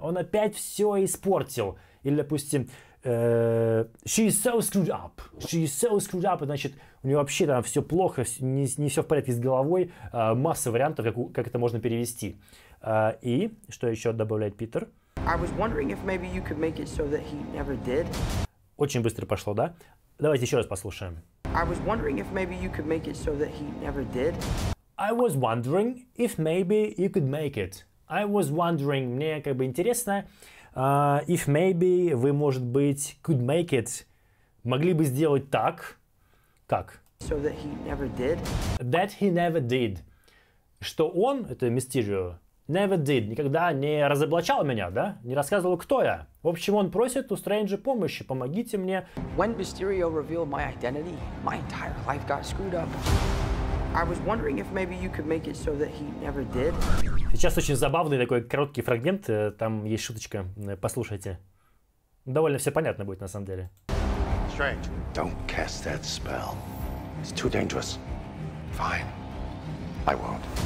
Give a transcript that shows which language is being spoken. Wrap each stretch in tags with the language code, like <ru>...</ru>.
<ru>Он опять все испортил. Или, допустим,</ru> <en>she is so screwed up. She is so screwed up.</en> <ru>Значит, у нее вообще там все плохо, не все в порядке с головой. Масса вариантов, как это можно перевести. И что еще добавляет Питер?</ru> <en>I was wondering if maybe you could make it so that he never did.</en> <ru>Очень быстро пошло, да? Давайте еще раз послушаем.</ru> <en>I was wondering if maybe you could make it so that he never did. I was wondering if maybe you could make it. I was wondering.</en> <ru>Мне как бы интересно.</ru> <en>If maybe</en> <ru>вы, может быть,</ru> <en>could make it,</en> <ru>могли бы сделать так. Как?</ru> <en>So that he never did. That he never did.</en> <ru>Что он, это</ru> <en>Mysterio, never did,</en> <ru>никогда не разоблачал меня, да? Не рассказывал, кто я. В общем, он просит у Стрэнджа помощи. Помогите мне.</ru> <en>When Mysterio revealed my identity, my entire life got screwed up. I was wondering if maybe you could make it so that he never did.</en> <ru>Сейчас очень забавный такой короткий фрагмент, там есть шуточка, послушайте. Довольно все понятно будет на самом деле.</ru> <en>Strange. Don't cast that spell. It's too dangerous. Fine. I won't.</en>